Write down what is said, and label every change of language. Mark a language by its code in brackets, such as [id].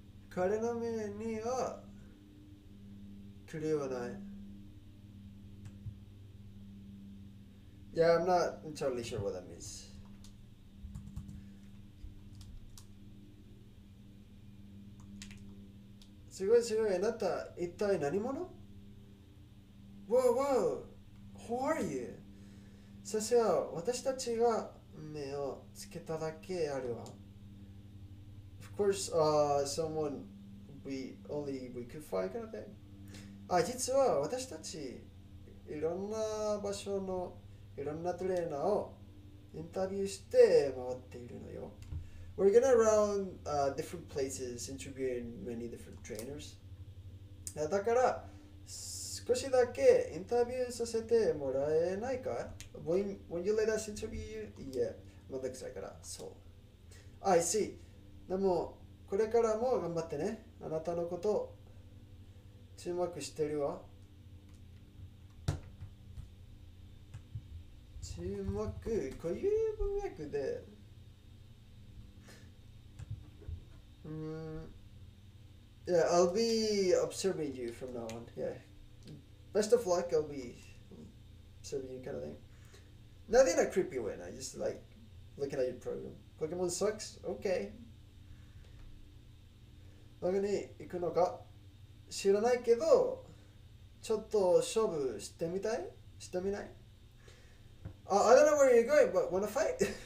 [ja] 彼の目には狂いはない。 [en] Yeah, I'm not entirely sure what that means. [ja] すごいすごい、あなた一体何者？ [en] Whoa, whoa! Who are you? [ja] 先生は私たちが目をつけただけあるわ。 [en] Of course, someone we only we could find kind of thing. [ja] あ、実は私たちいろんな場所のいろんなトレーナーをインタビューして回っているのよ。 [en] We're going around different places interviewing many different trainers. [ja] だから少しだけインタビューさせてもらえないか？ [en] Will you let us interview you? Yeah, [ja] まだくさいから、そう。 [en] I see. [ja] でもこれからも頑張ってね。あなたのこと注目してるわ。注目、こういう文脈で。 [en] Yeah, I'll be observing you from now on. Yeah, best of luck, I'll be serving you, kind of thing. Nothing in a creepy way, no, just like looking at your program. Pokemon sucks? Okay. [ja] どこに行くのか知らないけど、ちょっと勝負してみたい？してみない？ [en] I don't know where you're going, but wanna fight?